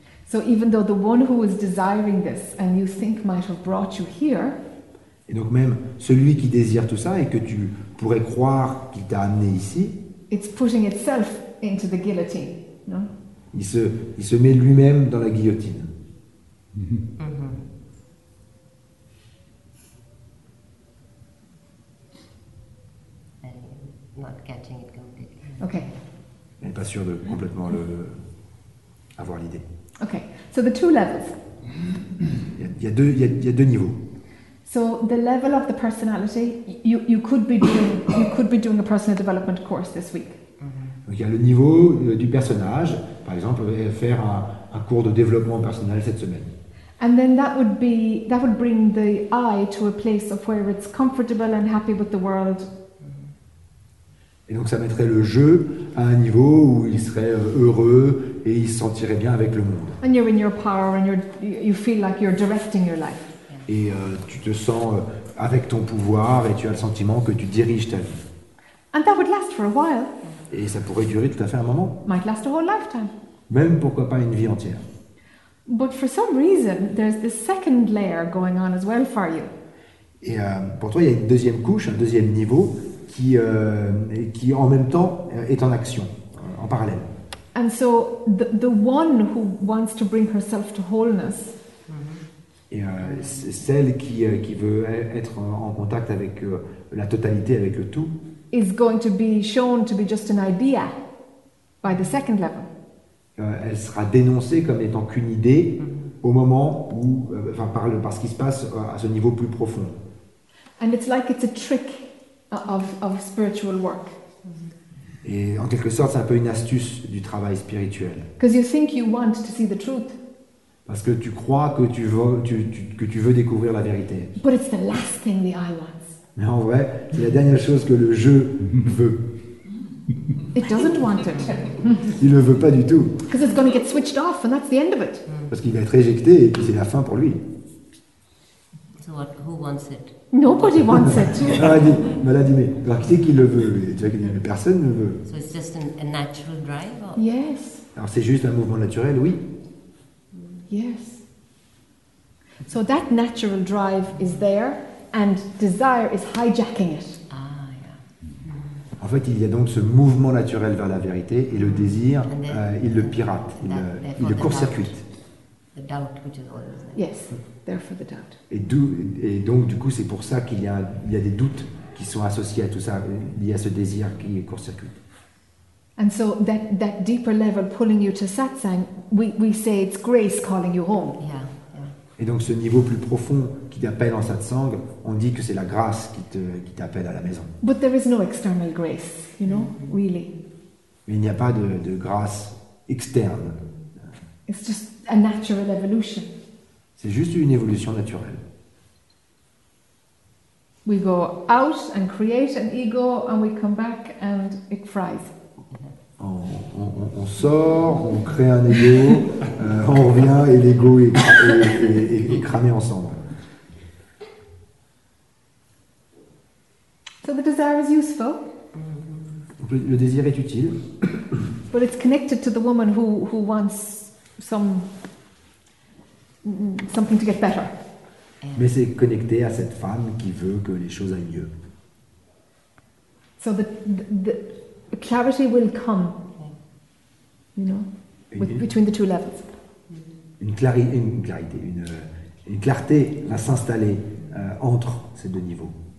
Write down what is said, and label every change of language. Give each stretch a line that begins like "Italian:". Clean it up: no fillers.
English: So even though the one who is desiring this and you think might have brought you here,
French: et donc même celui qui désire tout ça et que tu pourrais croire qu'il t'a amené ici,
English: it's putting itself into the guillotine, no?
French: Il se met lui-même dans la guillotine.
English: Mm-hmm. Not catching it completely. Okay.
French: Elle n'est pas sûre de complètement avoir l'idée.
English: Okay. So the two levels.
French: Il y a deux niveaux.
English: So the level of the personality, you could be doing a personal development course this week. Mm-hmm.
French: Donc, il y a le niveau du personnage, par exemple faire un cours de développement personnel cette semaine.
English: And then that would bring the I to a place of where it's comfortable and happy with the world.
French: Et donc ça mettrait le jeu à un niveau où il serait heureux et il se sentirait bien avec le monde.
English: And you're in your power and you feel like you're directing your life.
French: Et tu te sens avec ton pouvoir et tu as le sentiment que tu diriges ta vie.
English: And that would last for a while.
French: Et ça pourrait durer tout à fait un moment.
English: Might last a whole lifetime.
French: Même pourquoi pas une vie entière.
English: But for some reason, there's this second layer going on as well for you.
French: Et pour toi, il y a une deuxième couche, un deuxième niveau qui en même temps est en action, en parallèle.
English: And so the one who wants to bring herself to wholeness.
French: Et celle qui veut être en contact avec la totalité, avec le tout,
English: is going to be shown to be just an idea by the second level.
French: Elle sera dénoncée comme étant qu'une idée au moment où, enfin, par ce qui se passe à ce niveau plus profond.
English: And it's like it's a trick of spiritual work.
French: Et en quelque sorte, c'est un peu une astuce du travail spirituel.
English: Because you think you want to see the truth.
French: Parce que tu crois que tu veux découvrir la vérité.
English: But it's the last thing the eye wants.
French: Mais en vrai, c'est la dernière chose que le jeu veut.
English: It doesn't want it.
French: Il le veut pas du tout.
English: Because it's going to get switched off, and that's the end of it.
French: Parce qu'il va être éjecté, et puis c'est la fin pour lui.
English: So what? Who wants it? Nobody wants it.
French: Maladie, mais alors, qui c'est qui le veut? Personne ne veut.
English: So it's just a natural drive. Yes.
French: Alors c'est juste un mouvement naturel, oui.
English: Yes. So that natural drive is there, and desire is hijacking it. Ah, yeah.
French: En fait, il y a donc ce mouvement naturel vers la vérité, et le désir, il le pirate, il le court-circuite.
English: The doubt, which is always there. Yes, therefore the doubt.
French: Et donc, du coup, c'est pour ça qu'il y a, des doutes qui sont associés à tout ça, liés à ce désir qui est court-circuite.
English: And so that deeper level pulling you to satsang, we say it's grace calling you home. Yeah, yeah.
French: Et donc ce niveau plus profond qui t'appelle en satsang, on dit que c'est la grâce qui t'appelle à la maison.
English: But there is no external grace, you know, mm-hmm. Really.
French: Mais il n'y a pas de grâce externe.
English: It's just a natural evolution.
French: C'est juste une évolution naturelle.
English: We go out and create an ego and we come back and it fries.
French: On sort, on crée un ego, on revient et l'ego est cramé ensemble.
English: So the desire is useful.
French: Le désir est utile.
English: But it's connected to the woman who wants something to get better.
French: Mais c'est connecté à cette femme qui veut que les choses aillent mieux.
English: So the clarity will come. You know, between the two levels.
French: Une clarité, une, une clarté va s'installer entre ces deux niveaux.